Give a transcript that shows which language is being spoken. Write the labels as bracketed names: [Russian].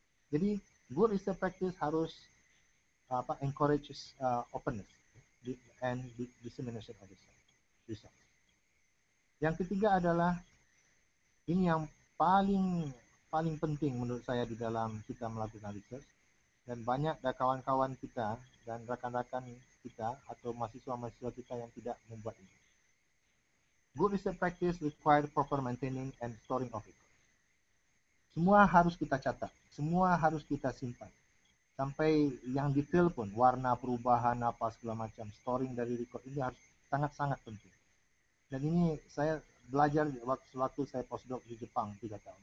[Indonesian] Jadi [English] good research practice [Indonesian] harus apa, [English] encourages openness and dissemination of research. [Indonesian] Yang ketiga adalah, ini yang paling paling penting menurut saya di dalam kita melakukan research, dan banyak dari kawan-kawan kita dan rekan-rekan kita atau mahasiswa-mahasiswa kita yang tidak membuat ini. [English] Good research practice require proper maintaining and storing of it. [Indonesian] Semua harus kita catat, semua harus kita simpan. Sampai yang detail pun, warna perubahan apa segala macam, storing dari record ini harus sangat-sangat penting. Dan ini saya belajar waktu saya postdoc di Jepang 3 tahun.